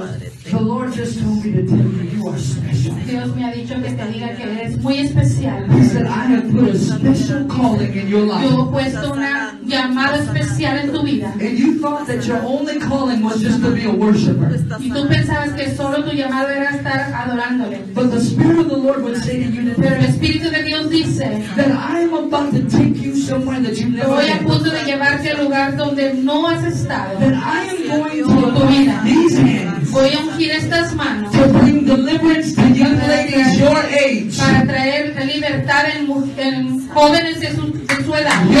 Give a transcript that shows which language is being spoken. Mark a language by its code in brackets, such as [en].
[en] Padre, the Lord just told me to tell you, you are special. [es] Dios me ha dicho que te diga que eres muy especial. [en] He said, I have put a special calling in your life. [es] Yo he puesto una llamada especial en tu vida. [en] And you thought that your only calling was just to be a worshiper. [es] Y tú pensabas que solo tu llamada era estar adorándole. [en] But the Spirit of the Lord would say to you today, [es] pero el Espíritu de Dios dice, [en] that I am about to take you somewhere that you've never [es] voy a punto [en] been. [es] De llevarte a lugar donde no has estado. [en] That I am going to [es] tu vida. Voy a ungir estas manos [en] to bring deliverance to young ladies your age. [es] Para traer libertad en jóvenes de su edad.